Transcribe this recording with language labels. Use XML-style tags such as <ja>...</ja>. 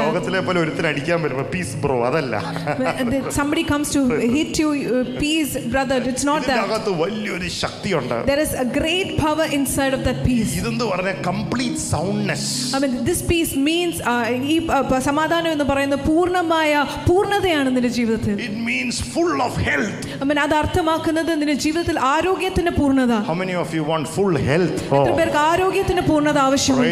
<ml>ലോകത്തിലെ പോലെ ഒരിത്തിന് അടിക്കാൻ വരുമ്പോ പീസ് ബ്രോ അതല്ല</ml> <en>Somebody comes to hit you peace brother it's not that</en> <ml>അകത്ത് വലിയൊരു ശക്തിയുണ്ട്</ml> <en>there is a great power inside of that peace</en> <ml>ഇതെന്ന് പറഞ്ഞാൽ</ml> <en>complete soundness I mean this peace means</en> <ml>സമാധാനം എന്ന് പറയുന്നത് പൂർണ്ണമായ പൂർണ്ണതയാണ് നിന്റെ ജീവിതത്തിൽ</ml> <en>it means full of health I mean</en> <ml>അത് അർത്ഥമാക്കുന്നത് നിന്റെ ജീവിതത്തിൽ ആരോഗ്യത്തിന്റെ</ml> <en>How many of you want full health?</en> <ml>ഇതിനെക്കാൾ ആരോഗ്യത്തിന് പൂർണ്ണത ആവശ്യമുണ്ട്.</ml>